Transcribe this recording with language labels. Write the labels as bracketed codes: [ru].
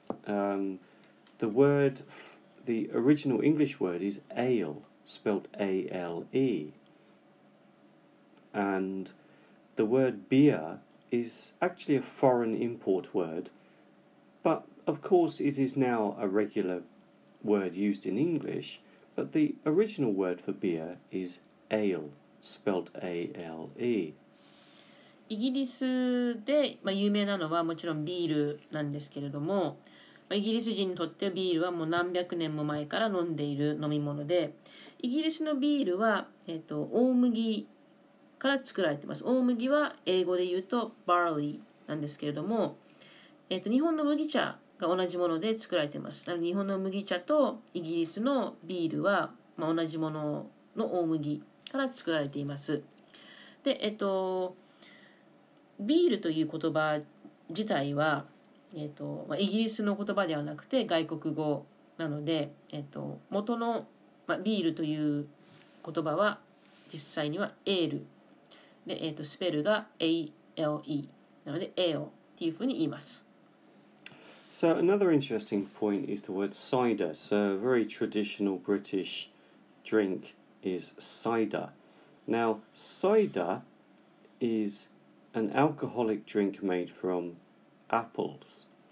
[en] The word, the original English word is ale, spelt A-L-E, and the word beer is actually a foreign import word, but of course it is now a regular word used in English, but the original word for beer is ale, spelt A-L-E. [ja] イギリスで、まあ、有名なのはもちろんビールなんですけれども、まあ、イギリス人にとってビールはもう何百年も前から飲んでいる飲み物で、イギリスのビールは、大麦から作られています。大麦は英語で言うと barley なんですけれども、日本の麦茶が同じもので作られています。日本の麦茶とイギリスのビールは、まあ、同じものの大麦から作られています。で、ビールという言葉自体は、まあ、イギリスの言葉ではなくて外国語なので、元の、まあ、ビールという言葉は実際にはエールで、スペルが A-L-E なのでエールというふうに言います。 [en] So another interesting point is the word cider. So a very traditional British drink is cider. Now, cider is an alcoholic drink made from apples.